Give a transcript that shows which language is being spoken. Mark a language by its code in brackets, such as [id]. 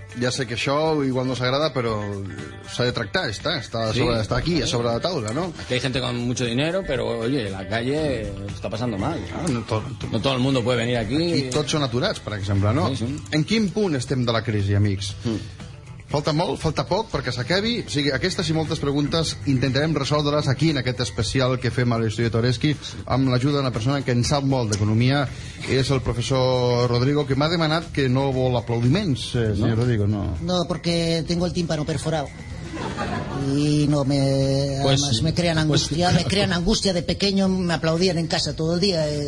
[ca] Ja sé que això igual no s'agrada, però s'ha de tractar, està aquí, a sobre la taula, no? [es] Aquí hay gente con mucho dinero, pero oye, la calle está pasando mal. No todo el mundo puede venir aquí. [ca] Aquí tots són aturats, per exemple, no? Sí. En quin punt estem de la crisi, amics? Falta molt, falta poc perquè s'acabi? O sigui, aquestes i moltes preguntes intentarem resoldre-les aquí, en aquest especial que fem a l'Estudi Tereski, amb l'ajuda d'una persona que en sap molt d'economia, és el professor Rodrigo, que m'ha demanat que no vol aplaudiments, senyor Rodrigo, no. No, perquè [es] tengo el tímpano perforado. Y no me... Además, pues, me crean angustia. Pues, me crean angustia. De pequeño me aplaudían en casa todo el día.